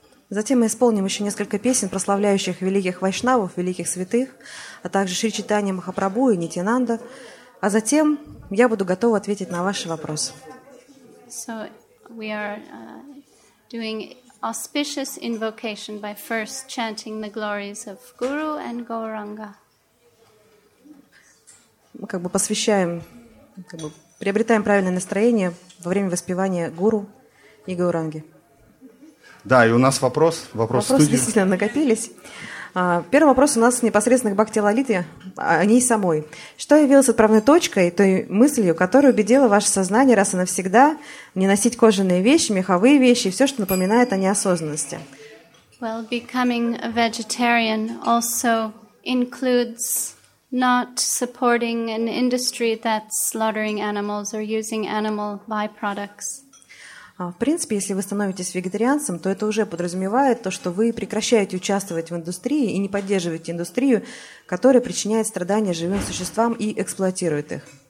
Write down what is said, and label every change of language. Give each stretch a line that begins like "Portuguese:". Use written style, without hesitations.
Russian: Затем мы исполним еще несколько песен, прославляющих великих вайшнавов, великих святых, а также Шри Чайтанья Махапрабху и Нитьянанда. А затем я буду готова ответить на ваши вопросы.
English: So we are doing auspicious invocation by first chanting the glories of Guru and Gauranga.
Russian: Мы как бы посвящаем, как бы приобретаем правильное настроение во время воспевания Гуру и Гауранги. Да, и у нас вопрос в студии. Действительно накопились. Первый вопрос у нас непосредственно к Бхакти Лалите, о ней самой. Что явилось отправной точкой, той мыслью, которая убедила ваше сознание раз и навсегда не носить кожаные вещи, меховые вещи, все, что напоминает о неосознанности?
English: Well, becoming a vegetarian also includes not supporting an industry that's slaughtering animals or using animal byproducts.
Russian: В принципе, если вы становитесь вегетарианцем, то это уже подразумевает то, что вы прекращаете участвовать в индустрии и не поддерживаете индустрию, которая причиняет страдания живым существам и эксплуатирует их.